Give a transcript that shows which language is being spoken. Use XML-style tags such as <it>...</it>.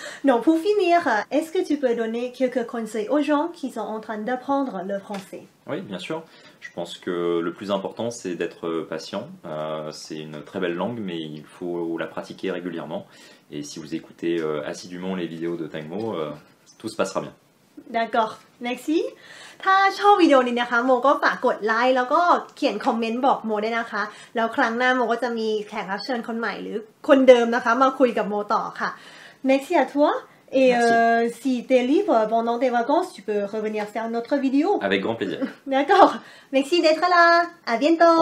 <fr>Non, pour finir, est-ce que tu peux donner quelques conseils aux gens qui sont en train d'apprendre le français? Oui, bien sûr! Je pense que le plus important, c'est d'être patient. C'est une très belle langue, mais il faut la pratiquer régulièrement. Et si vous écoutez assidûment les vidéos de Tangmo, tout se passera bien. D'accord, merci.</fr> <th>ถ้าชอบวิดีโอนี้นะคะโมก็ฝากกดไลค์แล้วก็เขียนคอมเมนต์บอกโมด้วยนะคะแล้วครั้งหน้าโมก็จะมีแขกรับเชิญคนใหม่หรือคนเดิมนะคะมาคุยกับโมต่อค่ะ</th> <fr>Merci à toi et si t'es libre pendant tes vacances tu peux revenir faire une autre vidéo Avec grand plaisir D'accord, merci d'être là, à bientôt</fr>